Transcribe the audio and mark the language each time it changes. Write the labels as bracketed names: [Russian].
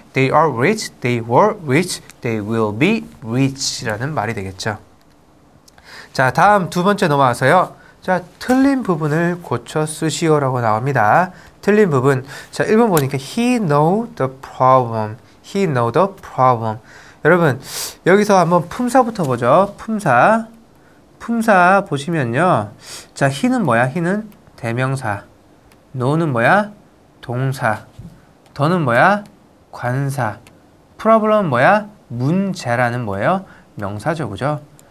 [English] they are rich, they were rich, they will be rich. [Korean] 라는 말이 되겠죠. 자, 다음 두 번째 넘어와서요. 자, 틀린 부분을 고쳐 쓰시오 라고 나옵니다. 틀린 부분. 자, 1번 보니까 [English] he know the problem. he know the problem. [Korean] 여러분, 여기서 한번 품사부터 보죠. 품사. 품사 보시면요. 자, he는 뭐야? he는 대명사. know는 뭐야? 동사. the는 뭐야? 관사. problem은 뭐야? 문제라는 뭐예요? 명사죠, 그죠?